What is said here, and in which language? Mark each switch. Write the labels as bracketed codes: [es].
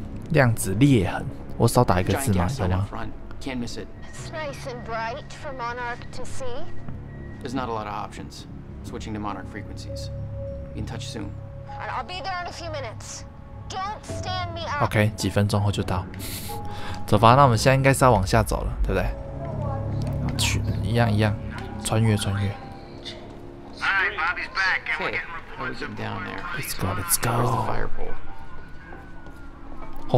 [zh] 量子裂痕，我少打一个字吗？有吗？ [en] Can't miss it. It's nice and bright for Monarch to see. There's not a lot of options. Switching to Monarch frequencies. Be in touch soon. Right, I'll be there in a few minutes. Don't stand me up. [zh] OK， 几分钟后就到。走吧，那我们现在应该是要往下走了，对不对？去，一样一样，穿越穿越。 [en] Hey, let's go, let's go. Where's the fire pole?